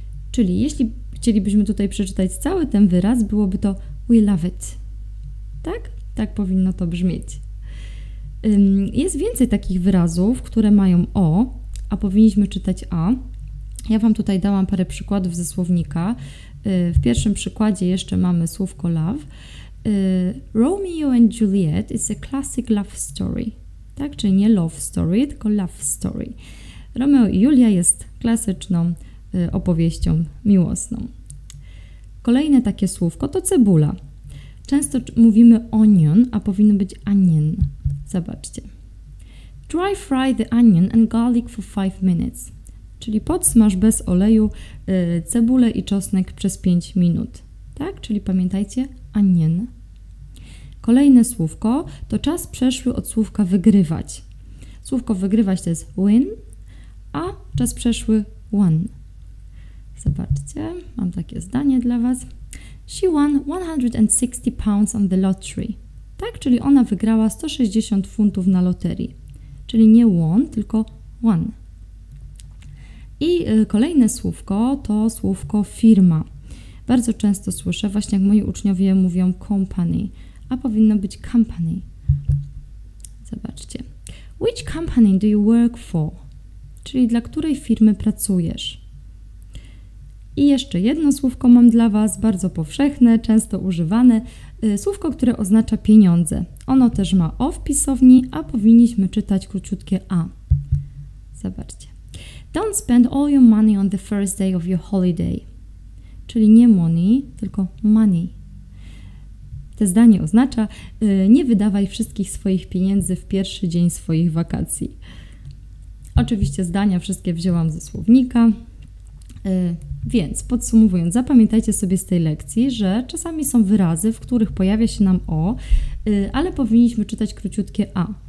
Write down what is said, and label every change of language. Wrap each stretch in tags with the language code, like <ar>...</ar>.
<pl>Czyli jeśli chcielibyśmy tutaj przeczytać cały ten wyraz, byłoby to</pl> <en>we love it.</en> <pl>Tak? Tak powinno to brzmieć. Jest więcej takich wyrazów, które mają o, a powinniśmy czytać a. Ja Wam tutaj dałam parę przykładów ze słownika. W pierwszym przykładzie jeszcze mamy słówko love.</pl> <en>Romeo and Juliet is a classic love story.</en> <pl>Tak? Czyli nie love story, tylko love story. Romeo i Julia jest klasyczną opowieścią miłosną. Kolejne takie słówko to cebula. Często mówimy onion, a powinno być onion. Zobaczcie.</pl> <en>Dry fry the onion and garlic for 5 minutes.</en> <pl>Czyli podsmaż bez oleju cebulę i czosnek przez 5 minut. Tak? Czyli pamiętajcie, onion. Kolejne słówko to czas przeszły od słówka wygrywać. Słówko wygrywać to jest win, a czas przeszły won. Zobaczcie, mam takie zdanie dla Was.</pl> <en>She won 160 pounds on the lottery.</en> <pl>Tak, czyli ona wygrała 160 funtów na loterii. Czyli nie won, tylko won. I kolejne słówko to słówko firma. Bardzo często słyszę, właśnie jak moi uczniowie mówią company, a powinno być company. Zobaczcie.</pl> <en>Which company do you work for?</en> <pl>Czyli dla której firmy pracujesz? I jeszcze jedno słówko mam dla Was, bardzo powszechne, często używane. Słówko, które oznacza pieniądze. Ono też ma o w pisowni, a powinniśmy czytać króciutkie a. Zobaczcie.</pl> <en>Don't spend all your money on the first day of your holiday.</en> <pl>Czyli nie money, tylko money. To zdanie oznacza, nie wydawaj wszystkich swoich pieniędzy w pierwszy dzień swoich wakacji. Oczywiście zdania wszystkie wzięłam ze słownika. Więc podsumowując, zapamiętajcie sobie z tej lekcji, że czasami są wyrazy, w których pojawia się nam o, ale powinniśmy czytać króciutkie a.</pl>